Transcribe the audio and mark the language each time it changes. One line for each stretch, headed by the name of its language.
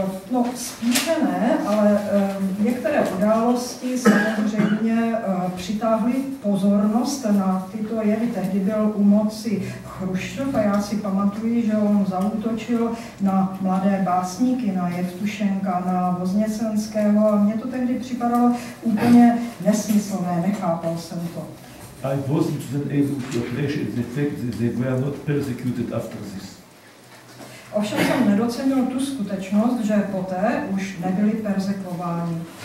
Czech: No, spíše ne, ale některé události samozřejmě přitáhly pozornost na tyto jevy. Tehdy byl u moci Chruščov a já si pamatuju, že on zaútočil na mladé básníky, na Jevtušenka, na Vozněsenského a mně to tehdy připadalo úplně nesmyslné, nechápal jsem to.
English: I wasn't even able to appreciate the fact that they were not persecuted after this.
Czech: Ovšem jsem nedocenil tu skutečnost, že poté už nebyli perzekvováni.